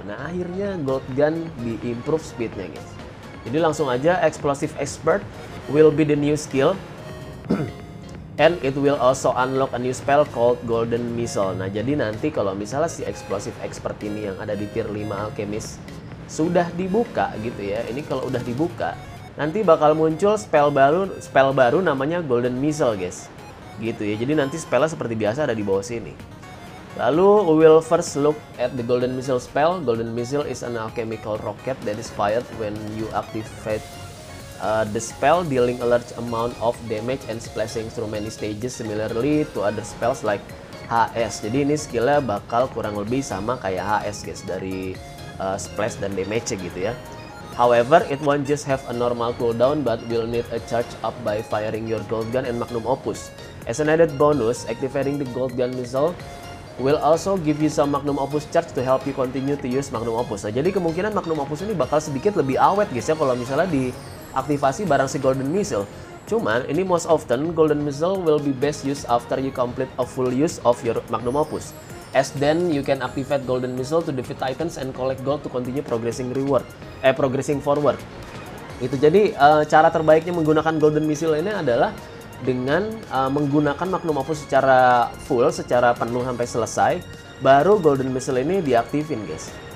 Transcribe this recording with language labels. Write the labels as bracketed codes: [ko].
[id] Nah, akhirnya gold gun di-improve speed-nya guys. Jadi langsung aja, [en] explosive expert will be the new skill and it will also unlock a new spell called golden missile. [id] Nah, jadi nanti kalau misalnya si explosive expert ini yang ada di tier 5 alchemist sudah dibuka gitu ya. Ini kalau udah dibuka, nanti bakal muncul spell baru namanya golden missile, guys. Gitu ya. Jadi nanti spellnya seperti biasa ada di bawah sini. Lalu [en] we will first look at the golden missile spell. Golden missile is an alchemical rocket that is fired when you activate the spell, dealing a large amount of damage and splashing through many stages similarly to other spells like HS. [id] Jadi ini skillnya bakal kurang lebih sama kayak HS guys, dari splash dan damage gitu ya. [en] However, it won't just have a normal cooldown but will need a charge up by firing your gold gun and magnum opus. As an added bonus, activating the gold gun missile will also give you some magnum opus charge to help you continue to use magnum opus. [id] Nah, jadi kemungkinan magnum opus ini bakal sedikit lebih awet guys ya kalau misalnya di aktivasi barang si golden missile. Cuman ini [en] most often golden missile will be best used after you complete a full use of your magnum opus, as then you can activate golden missile to defeat titans and collect gold to continue progressing forward. [id] Itu jadi cara terbaiknya menggunakan golden missile ini adalah dengan menggunakan magnum opus secara full, secara penuh sampai selesai, baru golden missile ini diaktifin guys.